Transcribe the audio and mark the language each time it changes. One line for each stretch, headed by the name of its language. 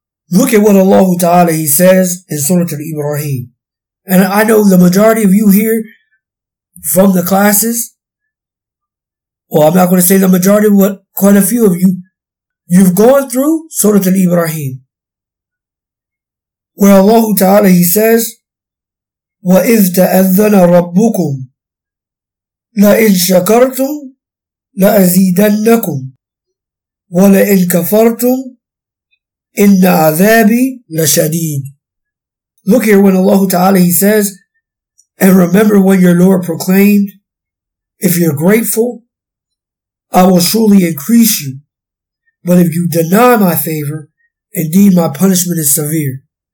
English: Look at what Allah Ta'ala, He says in Surah Al-Ibrahim. And I know the majority of you here from the classes, well, I'm not going to say the majority, but quite a few of you, you've gone through Surah Al-Ibrahim. Where Allah Ta'ala, He says,
Arabic: وَإِذْ تَأَذَّنَ رَبُّكُمْ لَإِنْ شَكَرْتُمْ لَأَزِيدَنَّكُمْ وَلَإِنْ كَفَرْتُمْ إِنَّ عَذَابِي لَشَدِيدٌ.
English: Look here when Allah Ta'ala, He says, and remember when your Lord proclaimed, if you're grateful, I will surely increase you. But if you deny my favor, indeed my punishment is severe.